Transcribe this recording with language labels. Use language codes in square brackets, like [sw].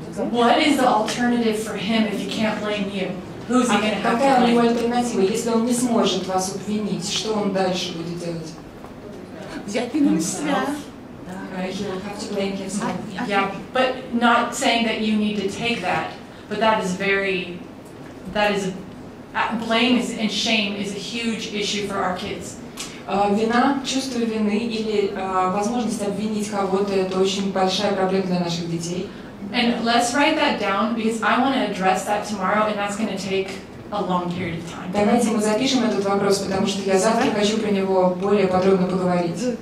[en] What is the alternative for him if he can't blame you? Who's he gonna have to blame? [ru] Какая у него альтернатива? Если он не сможет вас обвинить, что он дальше будет делать? Взять вину на себя. [en] Yeah, but not saying that you need to take that, but that is a Blame is, and shame is a huge issue for our kids. [ru] Вина, чувство вины или возможность обвинить кого-то – это очень большая проблема для наших детей. [en] And let's write that down because I want to address that tomorrow, and that's going to take a long period of time. [ru] Давайте мы запишем этот вопрос, потому что я завтра хочу про него более подробно поговорить.